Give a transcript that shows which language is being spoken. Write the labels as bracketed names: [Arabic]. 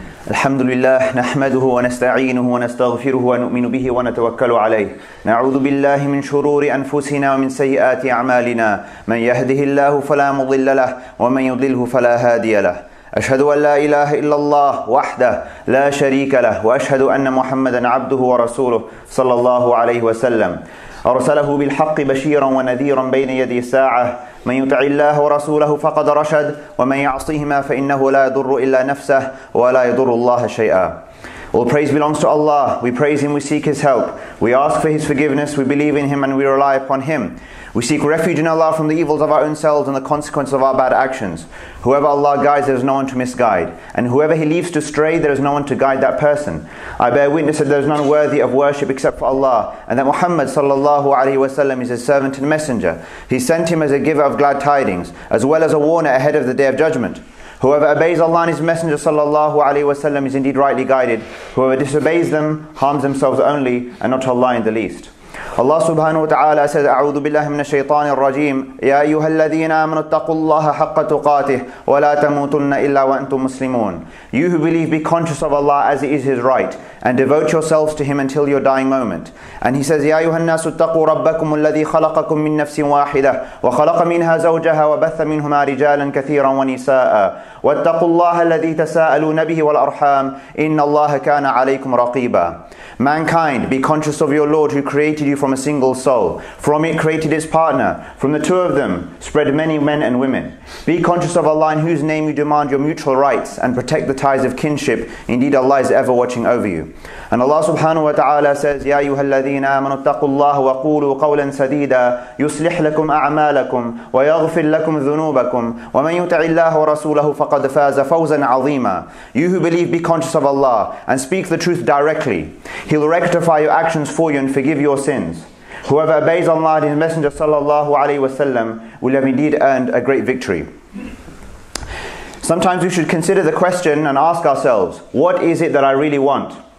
[Arabic] الحمد لله نحمده ونستعينه ونستغفره ونؤمن به ونتوكل عليه نعوذ بالله من شرور أنفسنا ومن سيئات أعمالنا من يهده الله فلا مضل له ومن يضله فلا هادي له أشهد أن لا إله إلا الله وحده لا شريك له وأشهد أن محمدا عبده ورسوله صلى الله عليه وسلم أرسله بالحق بشيرا ونذيرا بين يدي ساعة من يطع الله ورسوله فقد رشد ومن يعصيهما فإنه لا يضر إلا نفسه ولا يضر الله شيئا. [English] All praise belongs to Allah. We praise Him, we seek His help. We ask for His forgiveness, we believe in Him and we rely upon Him. We seek refuge in Allah from the evils of our own selves and the consequence of our bad actions. Whoever Allah guides, there is no one to misguide. And whoever He leaves to stray, there is no one to guide that person. I bear witness that there is none worthy of worship except for Allah, and that Muhammad sallallahu alaihi wasallam is His servant and messenger. He sent Him as a giver of glad tidings, as well as a warner ahead of the Day of Judgment. Whoever obeys Allah and His Messenger sallallahu alaihi wasallam is indeed rightly guided. Whoever disobeys them harms themselves only and not Allah in the least. Allah subhanahu wa ta'ala says, [Arabic] أعوذ بالله من الشيطان الرجيم يا أيها الذين آمنوا اتقوا الله حق تقاته ولا تموتن إلا وأنتم مسلمون. [English] You who believe, be conscious of Allah as it is His right, and devote yourselves to Him until your dying moment. And He says, [Arabic] يا أيها الناس اتقوا ربكم الذي خلقكم من نفس واحدة وخلق منها زوجها وبث منهما رجالا كثيرا ونساء واتقوا الله الذي تساءلون به والأرحام إن الله كان عليكم رقيبا. [English] Mankind, be conscious of your Lord who created you from a single soul. From it created its partner. From the two of them spread many men and women. Be conscious of Allah in whose name you demand your mutual rights and protect the ties of kinship. Indeed, Allah is ever watching over you. And Allah subhanahu wa ta'ala says, [Arabic] يَا أَيُّهَا الَّذِينَ آمَنُوا اتَّقُوا اللَّهُ وَقُولُوا قَوْلًا سَدِيدًا يُصْلِحْ لَكُمْ أَعْمَالَكُمْ وَيَغْفِرْ لَكُمْ ذُنُوبَكُمْ وَمَنْ يُطِعِ اللَّهَ وَرَسُولَهُ فَقَدْ فَازَ فَوْزًا عَظِيمًا. [English] You who believe, be conscious of Allah and speak the truth directly. He will rectify your actions for you and forgive your sins. Whoever obeys Allah and His Messenger sallallahu alayhi wasallam will have indeed earned a great victory. Sometimes we should consider the question and ask ourselves, what is it that I really want?